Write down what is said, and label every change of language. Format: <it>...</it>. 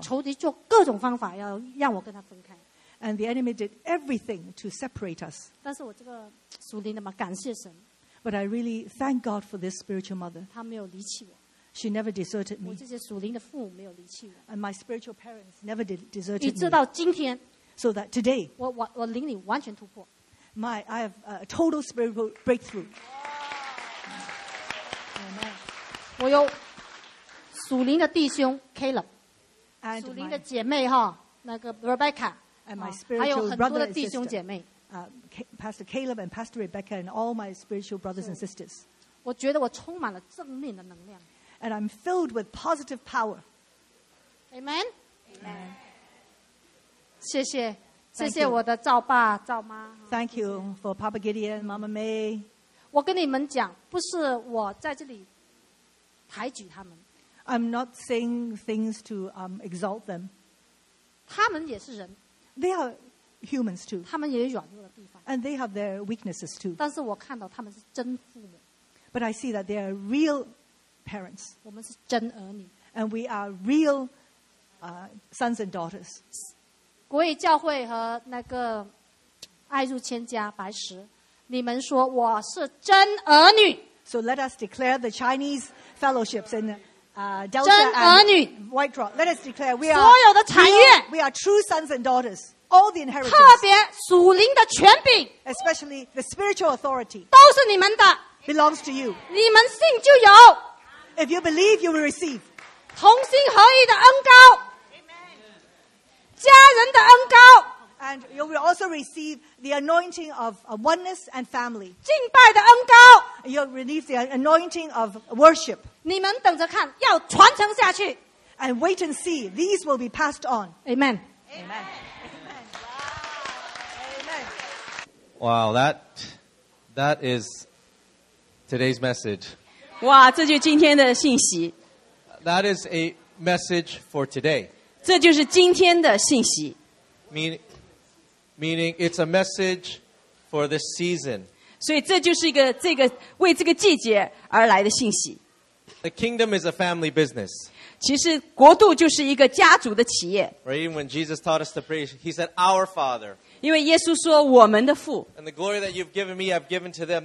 <zh>仇敌就各种方法要让我跟他分开。</zh> <en>And the enemy did everything to separate us.</en> <zh>但是我这个属灵的嘛，感谢神。</zh> <en>But I really thank God for this spiritual mother.</en> <zh>她没有离弃我。</zh> <en>She never deserted me.</en> <zh>我这些属灵的父母没有离弃我。</zh> <en>And my spiritual parents never deserted me.</en> <zh>以至到今天。</zh> <en>So that today.</en> <zh>我灵里完全突破。</zh> <en>I have a total spiritual breakthrough.</en> <zh>Amen. 我有。属灵的弟兄 Caleb 属灵的姐妹哈，那个 Rebecca 还有很多的弟兄姐妹</zh> <en>Pastor Caleb and Pastor Rebecca and all my spiritual brothers and sisters</en> <zh>我觉得我充满了正面的能量</zh> <en>and I'm filled with positive power Amen, Amen.</en> <zh>谢谢谢谢我的赵爸赵妈</zh> <en>Thank you for Papa Gideon, Mama May</en> <zh>我跟你们讲不是我在这里抬举他们</zh> <en>I'm not saying things to exalt them.</en> <zh>他们也是人。</zh> <en>They are humans too.</en> <zh>他们也有软弱的地方。</zh> <en>And they have their weaknesses too.</en> <zh>但是我看到他们是真父母。</zh> <en>But I see that they are real parents.</en> <zh>我们是真儿女。</zh> <en>And we are real sons and daughters.</en> <zh>国语教会和那个爱入千家白石，你们说我是真儿女。</zh> <en>So let us declare the Chinese fellowships in. Delta</en> <zh>真儿女</zh> <en>White Rock. Let us declare we</en> <zh>所有的产业</zh> <en>we are true sons and daughters. All the inheritance.</en> <zh>特别属灵的权柄</zh> <en>Especially the spiritual authority.</en> <zh>都是你们的</zh> <en>Belongs to you.</en> <zh>你们信就有</zh> <en>If you believe you will receive.</en> <zh>同心合意的恩膏</zh> <en>Amen.</en> <zh>家人的恩膏</zh> <en>And you will also receive the anointing of oneness and family.</en> <zh>敬拜的恩膏.</zh> <en>You'll receive the anointing of worship.</en> <zh>你们等着看, 要传承下去.</zh> <en>And wait and see. These will be passed on. Amen. Amen. Amen. Wow. Amen. Wow, that is today's message.</en> <zh>哇,这就是今天的信息.</zh> <en>That is a message for today.</en> <zh>这就是今天的信息.</zh> <en>Meaning it's a message for this season.</en> <zh>所以这就是一个为这个季节而来的信息.</zh> <en>The kingdom is a family business.</en> <zh>其实国度就是一个家族的企业.</zh> <en>Right, even when Jesus taught us to pray, he said, "Our Father."</en> <zh>因为耶稣说我们的父.</zh> <en>And the glory that you've given me, I've given to them.</en>